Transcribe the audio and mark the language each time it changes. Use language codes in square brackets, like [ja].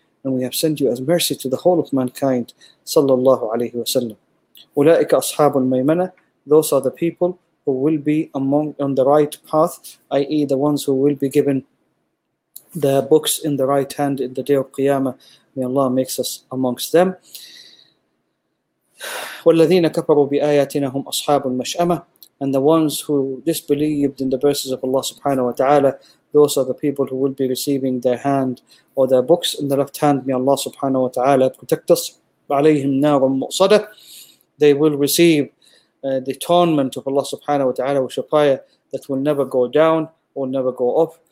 [en] And we have sent you as mercy to the whole of mankind. [ar] صلى الله عليه وسلم. أولئك أصحاب الميمنة. [en] Those are the people who will be among on the right path, i.e. the ones who will be given the books in the right hand in the day of Qiyamah. May Allah make us amongst them. [ar] والذين كفروا بآياتنا هم أصحاب المشأمة. [en] And the ones who disbelieved in the verses of Allah subhanahu wa ta'ala, those are the people who will be receiving their hand or their books in the left hand. May Allah subhanahu wa ta'ala protect us. [ar] عليهم نار مؤصدة. [en] They will receive the atonement of Allah subhanahu wa ta'ala with shafaya that will never go down, will never go up.